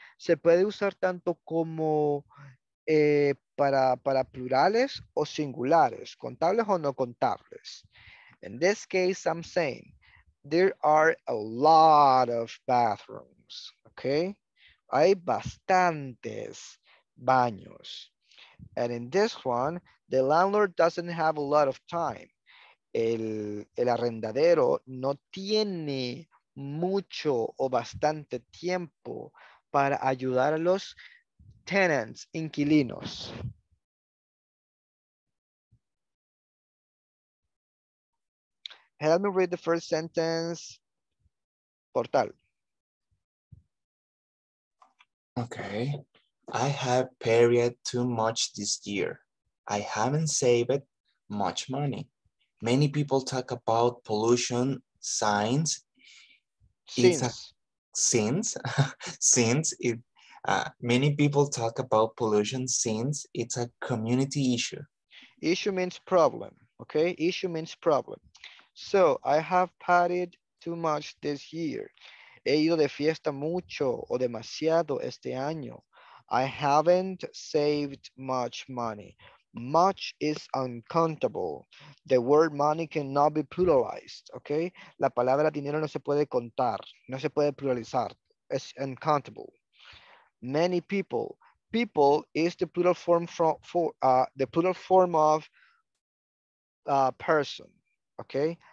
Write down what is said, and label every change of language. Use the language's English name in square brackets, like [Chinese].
[Spanish] Se puede usar tanto como para plurales o singulares, contables o no contables. [English] In this case, I'm saying there are a lot of bathrooms, okay? [Spanish] Hay bastantes baños. [English] And in this one, the landlord doesn't have a lot of time. [Spanish] El arrendadero no tiene mucho o bastante tiempo para ayudar a los tenants, inquilinos. [English] Help me read the first sentence, Portal. Okay. I have period too much this year. I haven't saved much money. Many people talk about pollution signs. Many people talk about pollution since it's a community issue. Issue means problem, okay? Issue means problem. So I have partied too much this year. [Spanish] He ido de fiesta mucho o demasiado este año. [English] I haven't saved much money. Much is uncountable. The word money cannot be pluralized, okay? [Spanish] La palabra dinero no se puede contar, no se puede pluralizar. [English] It's uncountable. Many people. People is the plural form of person, okay?